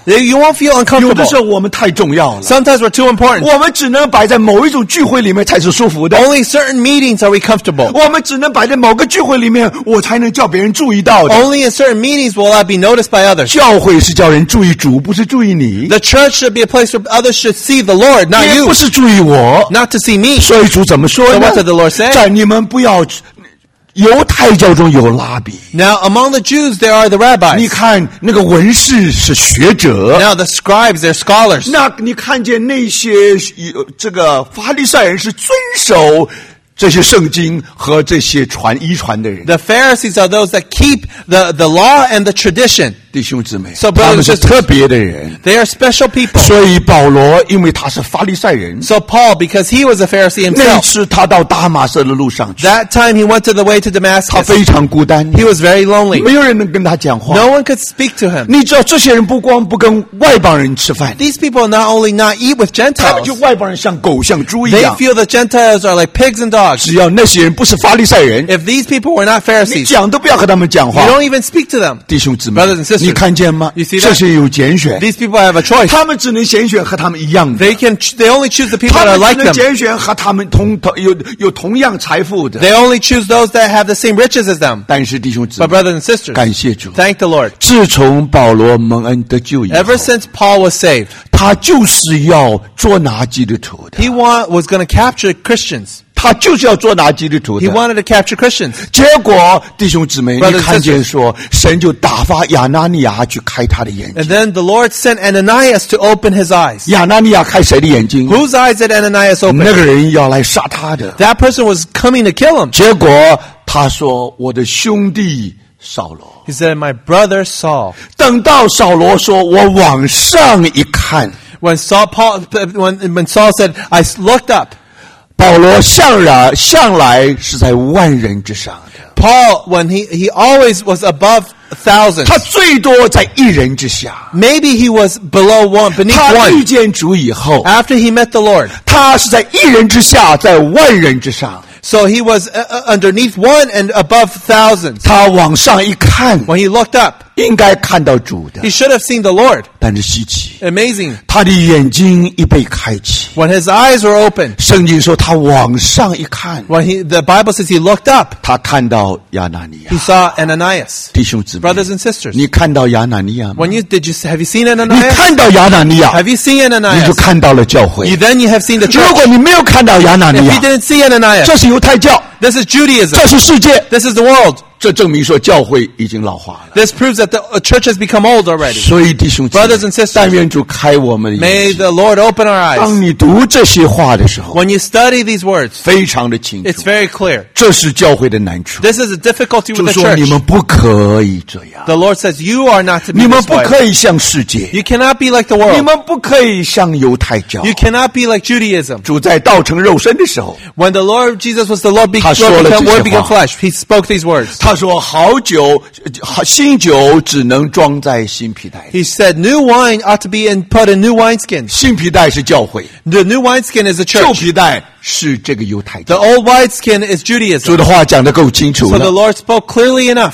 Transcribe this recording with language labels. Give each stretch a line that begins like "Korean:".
English: You won't feel uncomfortable.
Chinese: 有的时候我们太重要了。
English: Sometimes we're too important.
Chinese: 我们只能摆在某一种聚会里面才是舒服的。
English: Only certain meetings are we comfortable.
Chinese: 我们只能摆在某个聚会里面我才能叫别人注意到的。
English: Only in certain meetings will I be noticed by others.
Chinese: 教会是叫人注意主不是注意你。
English: The church should be a place where others should see the Lord, not you.
Chinese: 也不是注意我。
English: Not to see me.
Chinese: 所以主怎么说呢
English: So what did the Lord say?
Chinese: 在你们不要犹太教中有拉比
English: Now among the Jews there are the rabbis
Chinese: 你看那个文士是学者
English: Now the scribes they're scholars
Chinese: 那你看见那些这个法利赛人是遵守这些圣经和这些传遗传的人
English: The Pharisees are those that keep the law and the tradition
Chinese: 弟兄姊妹
English: so, brothers,
Chinese: 他们是特别的人
English: They are special people
Chinese: 所以保罗因为他是法利赛人
English: So Paul because he was a Pharisee himself
Chinese: 那次他到大马色的路上去
English: That time he went to the way to Damascus
Chinese: 他非常孤单
English: He was very lonely
Chinese: 没有人能跟他讲话
English: No one could speak to him
Chinese: 你知道这些人不光不跟外邦人吃饭
English: These people not only not eat with Gentiles
Chinese: 他们就外邦人像狗像猪一样
English: They feel the Gentiles are like pigs and dogs
Chinese: 只要那些人不是法利赛人
English: If these people were not Pharisees
Chinese: 你讲都不要和他们讲话
English: You don't even speak to them
Chinese: 弟兄姊妹
English: Brothers and sisters
Chinese: 你看见吗
English: You see that
Chinese: 这些有拣选
English: These people have a choice
Chinese: 他们只能拣选和他们一样的
English: They only choose the people that are like them
Chinese: 他们只能拣选和他们有同样财富的
English: They only choose those that have the same riches as them
Chinese: 但是弟兄姊妹
English: But brothers and sisters
Chinese: 感谢主
English: Thank the Lord
Chinese: 自从保罗蒙恩得救以后
English: Ever since Paul was saved
Chinese: 他就是要捉拿基督徒的
English: He was going to capture Christians
Chinese: 他就是要做拿基督徒的。
English: He wanted to capture Christians.
Chinese: 结果弟兄姊妹，你看见说，神就打发亚拿尼亚去开他的眼睛。
English: And then the Lord sent Ananias to open his eyes.
Chinese: 亚拿尼亚开谁的眼睛
English: ？Whose eyes did Ananias open?
Chinese: 那个人要来杀他的。
English: That person was coming to kill him.
Chinese: 结果他说，我的兄弟。扫罗
English: He said, my brother Saul.
Chinese: 等到扫罗说我往上一看
English: When Saul said, I looked up.
Chinese: 保罗向来是在万人之上的。
English: Paul, when he always was above thousands.
Chinese: 他最多在一人之下。
English: Maybe he was below one, beneath one.
Chinese: 他遇见主以后
English: After he met the Lord.
Chinese: 他是在一人之下在万人之上。
English: So he was underneath one and above thousands.
Chinese: 他往上一看
English: When he looked up,
Chinese: 应该看到主的
English: He should have seen the Lord.
Chinese: 但是稀奇
English: Amazing.
Chinese: 他的眼睛一被开启
English: When his eyes were open,
Chinese: 圣经说他往上一看
English: The Bible says he looked up.
Chinese: 他看到亚拿尼亚
English: He saw Ananias.
Chinese: 弟兄姊妹
English: Brothers and sisters.
Chinese: 你看到亚拿尼亚吗
English: Have you seen Ananias?
Chinese: 你看到亚拿尼亚
English: Have you seen Ananias?
Chinese: 你就看到了教会
English: Then you have seen the church.
Chinese: 如果你没有看到亚拿尼亚
English: If you didn't see Ananias,
Chinese: 这是犹太教
English: This is Judaism.
Chinese: 这是世界
English: This is the world.
Chinese: 这证明说教会已经老化了
English: This proves that the church has become old already.
Chinese: 所以弟兄姊妹
English: Brothers and sisters,
Chinese: 但愿主开我们的眼睛
English: May the Lord open our eyes.
Chinese: 当你读这些话的时候
English: When you study these words,
Chinese: 非常的清楚
English: It's very clear.
Chinese: 这是教会的难处
English: This is a difficulty with the church.
Chinese: 就说你们不可以这样
English: The Lord says you are not to be this
Chinese: way. 你们不可以像世界
English: You cannot be like the world.
Chinese: 你们不可以像犹太教
English: You cannot be like Judaism.
Chinese: 主在道成肉身的时候
English: When the Lord Jesus was the Lord became flesh, he spoke these words.
Chinese: 他说好酒新酒只能装在新皮带。
English: He said, new wine ought to be put in new wineskins.
Chinese: 新皮带是教会。
English: The new wineskin is the church.
Chinese: 旧皮带是这个犹太教。
English: The old wineskin is Judaism.
Chinese: 主的话讲得够清楚了。
English: So the Lord spoke clearly enough.